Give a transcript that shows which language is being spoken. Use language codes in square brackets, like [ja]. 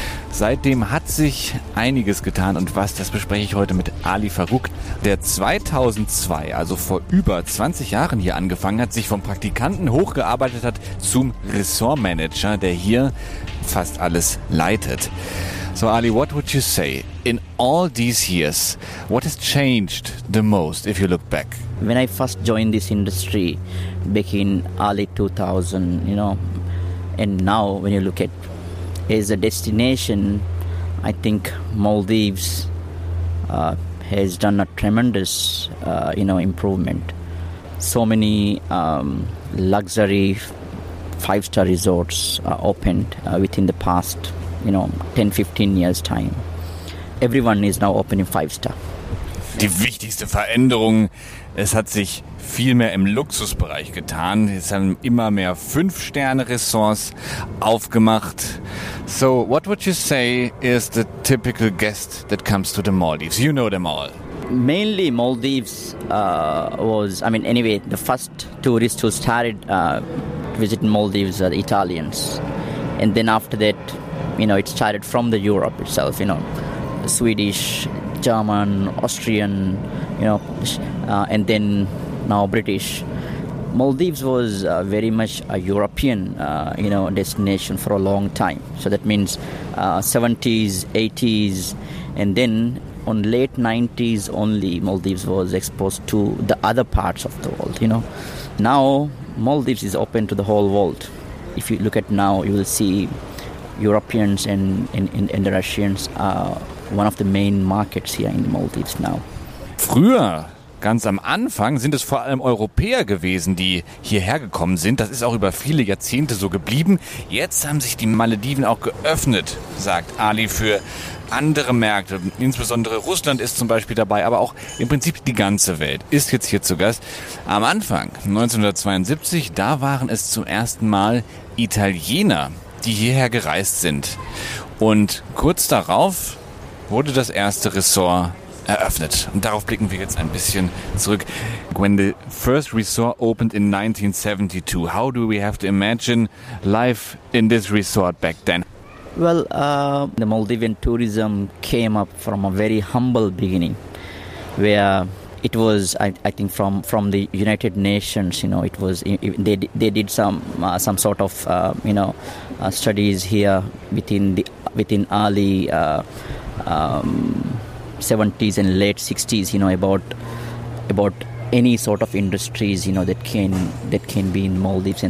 [de] Seitdem hat sich einiges getan und was, das bespreche ich heute mit Ali Farouk, der 2002, also vor über 20 Jahren hier angefangen hat, sich vom Praktikanten hochgearbeitet hat zum Ressortmanager, der hier fast alles leitet. [en] So Ali, what would you say? In all these years, what has changed the most if you look back? When I first joined this industry back in early 2000, you know, and now when you look at as a destination, I think Maldives has done a tremendous, improvement. So many luxury five-star resorts are opened within the past, 10, 15 years' time. Everyone is now opening five-star. [de] Die wichtigste Veränderung, es hat sich viel mehr im Luxusbereich getan. Es haben immer mehr 5-Sterne-Resorts aufgemacht. [en] So, what would you say is the typical guest that comes to the Maldives? You know them all. Mainly Maldives the first tourists who started visiting Maldives are Italians. And then after that, it started from the Europe itself, Swedish, German, Austrian, and then now British. Maldives was very much a European, destination for a long time. So that means 70s, 80s, and then on late 90s only Maldives was exposed to the other parts of the world, Now Maldives is open to the whole world. If you look at now, you will see Europeans and the Russians are one of the main markets here in the Maldives now. [de] Früher, ganz am Anfang, sind es vor allem Europäer gewesen, die hierher gekommen sind. Das ist auch über viele Jahrzehnte so geblieben. Jetzt haben sich die Malediven auch geöffnet, sagt Ali, für andere Märkte. Insbesondere Russland ist zum Beispiel dabei, aber auch im Prinzip die ganze Welt ist jetzt hier zu Gast. Am Anfang, 1972, da waren es zum ersten Mal Italiener, die hierher gereist sind. Und kurz darauf wurde das erste Resort eröffnet. Und darauf blicken wir jetzt ein bisschen zurück. [en] When the first resort opened in 1972, how do we have to imagine life in this resort back then? Well, the Maldivian tourism came up from a very humble beginning, where it was, I think, from the United Nations, it was, they did some sort of, studies here within early 70s and late 60s, about any sort of industries, that can be in Maldives.